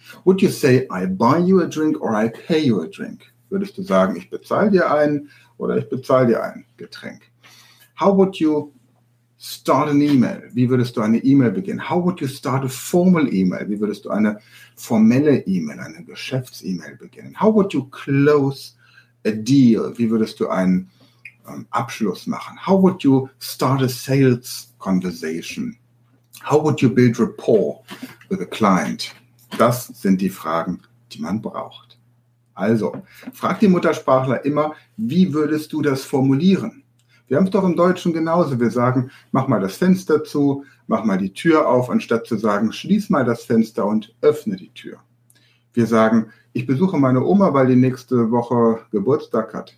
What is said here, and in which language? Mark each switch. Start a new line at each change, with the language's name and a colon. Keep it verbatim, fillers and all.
English: Would you say, I buy you a drink or I pay you a drink?
German: Würdest du sagen, ich bezahle dir einen oder ich bezahle dir ein Getränk?
English: How would you start an email?
German: Wie würdest du eine E-Mail beginnen?
English: How would you start a formal email?
German: Wie würdest du eine formelle E-Mail, eine Geschäfts-E-Mail beginnen?
English: How would you close a deal?
German: Wie würdest du einen ähm, Abschluss machen?
English: How would you start a sales conversation? How would you build rapport with a client?
German: Das sind die Fragen, die man braucht. Also, frag die Muttersprachler immer, wie würdest du das formulieren? Wir haben es doch im Deutschen genauso. Wir sagen, mach mal das Fenster zu, mach mal die Tür auf, anstatt zu sagen, schließ mal das Fenster und öffne die Tür. Wir sagen, ich besuche meine Oma, weil die nächste Woche Geburtstag hat.